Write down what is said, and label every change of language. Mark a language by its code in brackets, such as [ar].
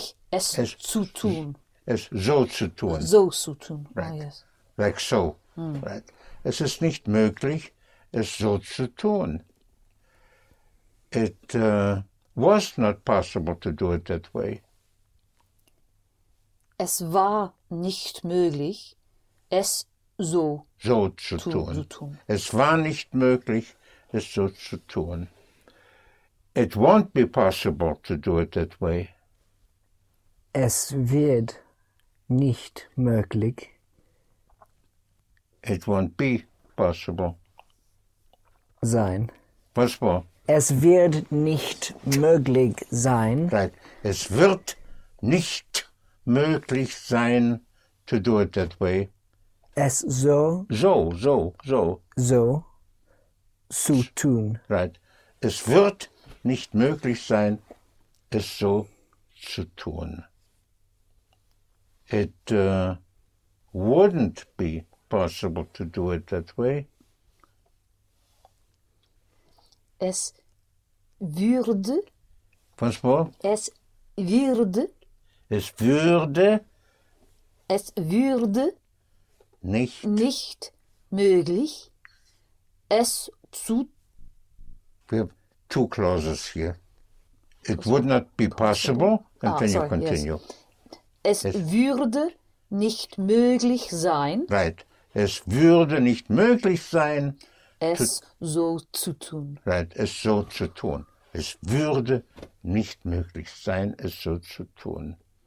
[de] Es ist nicht möglich, es zu tun. Es so zu tun. So zu tun, [en] right. Oh, yes. Like so, right. [de] Es ist nicht möglich, es so zu tun. [en] It was not possible to do it that way. [de] Es war nicht möglich, es so zu tun. Es war nicht möglich, es so zu tun. [en] It won't be possible to do it that way. [de] Es wird nicht möglich. [en] It won't be possible. [de] Sein. Was war? Es wird nicht möglich sein. [en] Right. [de] Es wird nicht möglich sein, [en] to do it that way. [de] Es so. So. So. Zu tun. [en] Right. [de] Es wird nicht möglich sein, es so zu tun. [en] It wouldn't be possible to do it that way. [de] Es würde. Was war? Es würde. Es würde. Es würde. Nicht möglich, es zu. [en] We have two clauses here. It would not be possible, and then you continue. Yes. [de] Es würde nicht möglich sein. [en] Right. [de] Es würde nicht möglich sein, es so zu tun. Right. Es so zu tun. Es würde nicht möglich sein, es so zu tun.